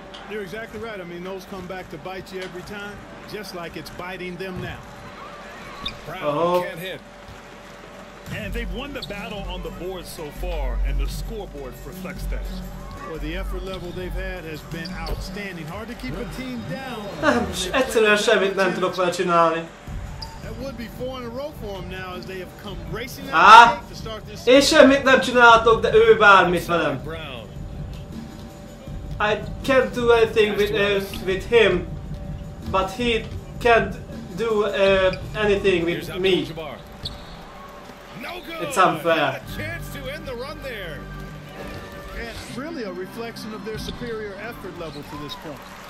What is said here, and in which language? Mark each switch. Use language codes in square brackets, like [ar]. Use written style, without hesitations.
[en] You're exactly right. I mean, those come back to bite you every time, just like it's biting them now. Brown can't hit. And they've won the battle on the board so far, and the scoreboard reflects that. Well, the effort level they've had has been outstanding. Hard to keep a team down. [hu] Egyszerűen semmit nem tudok vele csinálni. [en] That would be four in a row for them now as they have come racing out to start this. [hu] Én semmit nem csináltok, de ő bármit velem. [en] I can't do anything with him, but he can't do anything with me. It's unfair. Chance to end the run there. It's really a reflection of their superior effort level to this point.